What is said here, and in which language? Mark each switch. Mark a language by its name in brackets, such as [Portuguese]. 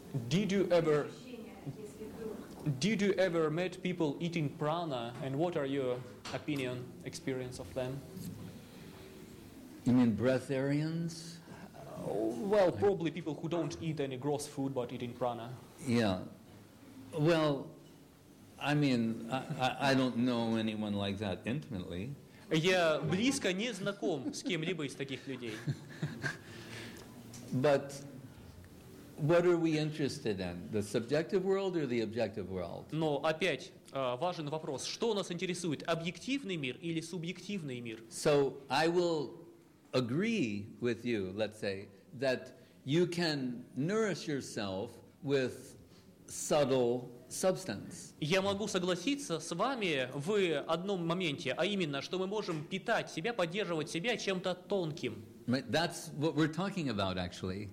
[English] Did you ever meet people eating prana, and what are your opinion, experience of them? You mean breatharians? Well, probably people who don't eat any gross food but eating prana. Yeah. Well, I mean, I don't know anyone like that intimately. [Russian] Я близко не знаком с кем-либо из таких людей. [English] But what are we interested in? The subjective world or the objective world? [Russian] Но опять важен вопрос. Что нас интересует? Объективный мир или субъективный мир? [English] So I will agree with you, let's say, that you can nourish yourself with subtle substance. [Russian] Я могу согласиться с вами в одном моменте, а именно, что мы можем питать себя, поддерживать себя чем-то тонким. [English] That's what we're talking about, actually.